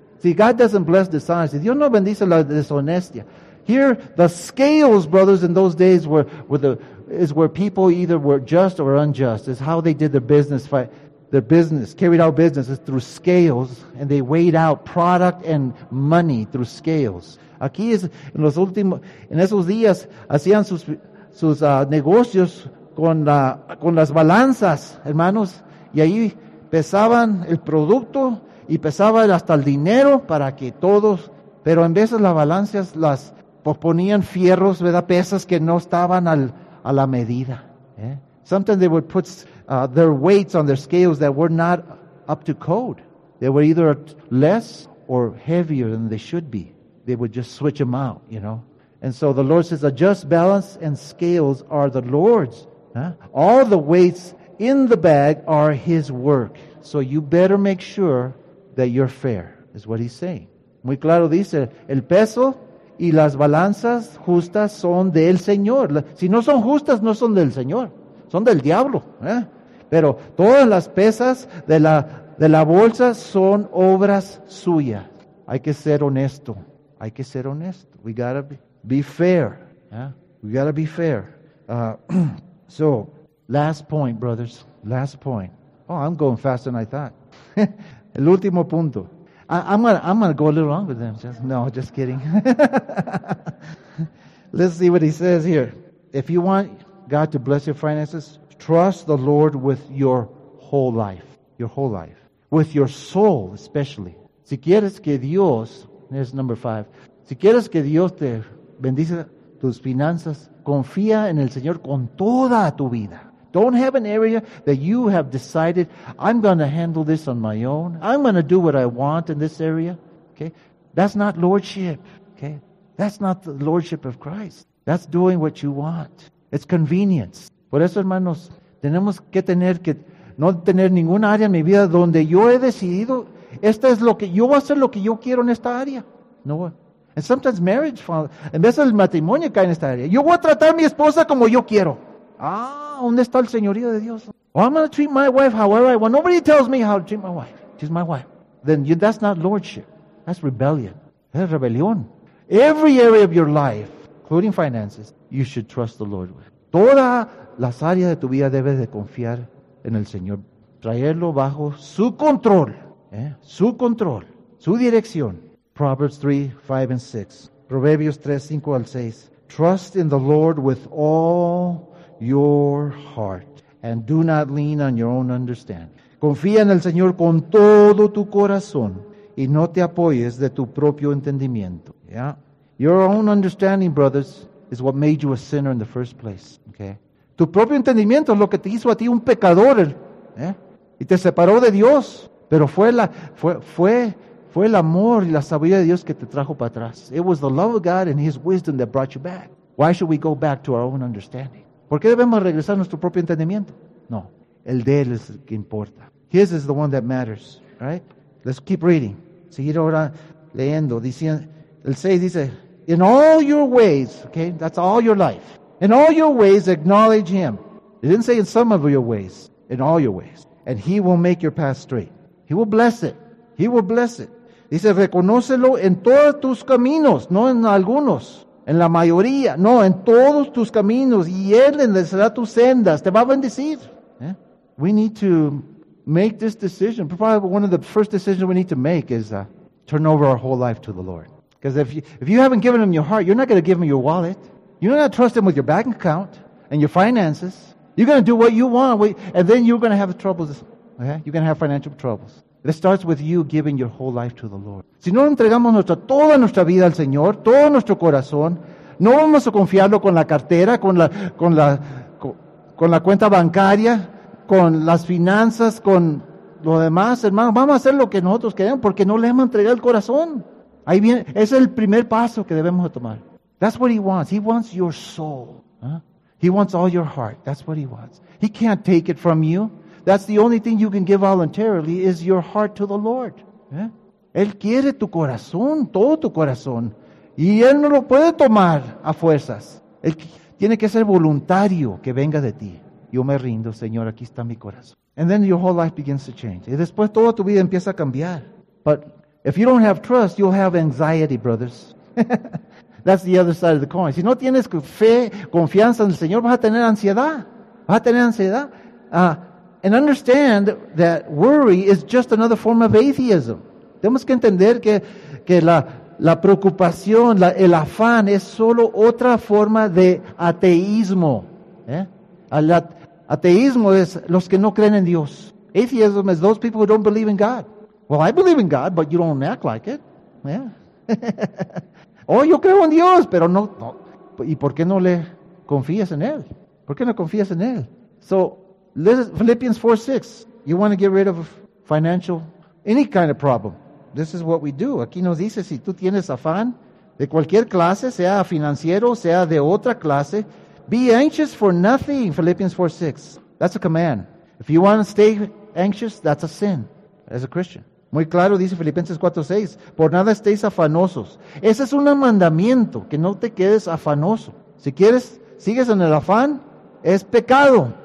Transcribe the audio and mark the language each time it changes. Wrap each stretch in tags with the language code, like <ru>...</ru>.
<en>See, God doesn't bless dishonesty.</en> <es>Dios no bendice la deshonestia.</es> <en>Here, the scales, brothers, in those days were people either were just or unjust. It's how they did their business fight. Their business, carried out businesses through scales, and they weighed out product and money through scales.</en> <es>Aquí es, en los últimos, en esos días, hacían sus negocios con las balanzas, hermanos, y ahí pesaban el producto y pesaban hasta el dinero para que todos, pero en veces las balanzas las ponían fierros, ¿verdad? Pesas que no estaban a la medida. ¿Eh?</es> <en>Sometimes they would put their weights on their scales that were not up to code. They were either less or heavier than they should be. They would just switch them out, you know. And so the Lord says, a just balance and scales are the Lord's. Huh? All the weights in the bag are His work. So you better make sure that you're fair, is what He's saying.</en> <es>Muy claro dice, el peso y las balanzas justas son del Señor. Si no son justas, no son del Señor. Son del diablo, ¿eh? Pero todas las pesas de la bolsa son obras suyas. Hay que ser honesto. Hay que ser honesto.</es> <en>We gotta be fair.</en> <es>¿Eh?</es> <en>We gotta be fair. So, last point, brothers. Last point. Oh, I'm going faster than I thought.</en> <es>El último punto.</es> <en>I'm gonna go a little longer than just. No, just kidding. Let's see what he says here. If you want God to bless your finances, trust the Lord with your whole life. Your whole life. With your soul, especially.</en> <es>Si quieres que Dios,</es> <en>there's number five.</en> <es>Si quieres que Dios te bendice tus finanzas, confía en el Señor con toda tu vida.</es> <en>Don't have an area that you have decided, I'm going to handle this on my own. I'm going to do what I want in this area. Okay? That's not lordship. Okay? That's not the lordship of Christ. That's doing what you want. It's convenience.</en> <es>Por eso, hermanos, tenemos que tener que no tener ningún área en mi vida donde yo he decidido, esta es lo que yo voy a hacer lo que yo quiero en esta área. No.</es> <en>And sometimes marriage falls,</en> <es>en vez del matrimonio cae en esta área. Yo voy a tratar a mi esposa como yo quiero. Ah, ¿dónde está el señorío de Dios?</es> <en>Oh, I'm going to treat my wife however I want. Nobody tells me how to treat my wife. She's my wife. Then you, that's not lordship. That's rebellion.</en> <es>Es rebelión.</es> <en>Every area of your life, including finances, you should trust the Lord with.</en> <es>Toda las áreas de tu vida debes de confiar en el Señor. Traerlo bajo su control. ¿Eh? Su control. Su dirección.</es> <en>Proverbs 3, 5 and 6.</en> <es>Proverbios 3, 5 al 6.</es> <en>Trust in the Lord with all your heart and do not lean on your own understanding.</en> <es>Confía en el Señor con todo tu corazón y no te apoyes de tu propio entendimiento.</es> <en>Yeah. Your own understanding, brothers, is what made you a sinner in the first place. Okay.</en> <es>Tu propio entendimiento es lo que te hizo a ti un pecador. ¿Eh? Y te separó de Dios. Pero fue el amor y la sabiduría de Dios que te trajo para atrás.</es> <en>It was the love of God and His wisdom that brought you back. Why should we go back to our own understanding?</en> <es>¿Por qué debemos regresar a nuestro propio entendimiento? No. El de Él es el que importa.</es> <en>His is the one that matters. Right? Let's keep reading.</en> <es>Seguir ahora leyendo. El 6 dice,</es> <en>in all your ways, okay, that's all your life. In all your ways, acknowledge Him. It didn't say in some of your ways. In all your ways. And He will make your path straight. He will bless it. He will bless it.</en> <es>Dice, reconócelo en todos tus caminos, no en algunos. En la mayoría, no, en todos tus caminos. Y Él enderezará tus sendas, te va a bendecir.</es> <en>Yeah. We need to make this decision. Probably one of the first decisions we need to make is turn over our whole life to the Lord. Because if you haven't given Him your heart, you're not going to give Him your wallet. You're not going to trust Him with your bank account and your finances. You're going to do what you want, and then you're going to have troubles. Okay? You're going to have financial troubles. It starts with you giving your whole life to the Lord.</en> <es>Si no entregamos toda nuestra vida al Señor, todo nuestro corazón, no vamos a confiarlo con la cartera, con la cuenta bancaria, con las finanzas, con lo demás, hermano. Vamos a hacer lo que nosotros queremos porque no le hemos entregado el corazón. Ahí viene, ese es el primer paso que debemos tomar.</es> <en>That's what He wants. He wants your soul. Huh? He wants all your heart. That's what He wants. He can't take it from you. That's the only thing you can give voluntarily is your heart to the Lord.</en> <es>¿Eh? Él quiere tu corazón, todo tu corazón. Y Él no lo puede tomar a fuerzas. Él tiene que ser voluntario que venga de ti. Yo me rindo, Señor, aquí está mi corazón.</es> <en>And then your whole life begins to change.</en> <es>Y después toda tu vida empieza a cambiar.</es> <en>But if you don't have trust, you'll have anxiety, brothers. That's the other side of the coin.</en> <es>Si no tienes fe, confianza en el Señor, vas a tener ansiedad. Vas a tener ansiedad.</es> <en>And understand that worry is just another form of atheism.</en> <es>Tenemos que entender que la preocupación, el afán es solo otra forma de ateísmo. ¿Eh? Ateísmo es los que no creen en Dios.</es> <en>Atheism is those people who don't believe in God. Well, I believe in God, but you don't act like it. Yeah.</en> <es>Oh, yo creo en Dios, pero no, no. ¿Y por qué no le confías en Él? ¿Por qué no confías en Él?</es> <en>So, Philippians 4, 6. You want to get rid of financial, any kind of problem. This is what we do.</en> <es>Aquí nos dice, si tú tienes afán de cualquier clase, sea financiero, sea de otra clase,</es> <en>be anxious for nothing, Philippians 4, 6. That's a command. If you want to stay anxious, that's a sin as a Christian.</en> <es>Muy claro, dice Filipenses 4, 6. Por nada estéis afanosos. Ese es un mandamiento, que no te quedes afanoso. Si quieres, sigues en el afán, es pecado.</es>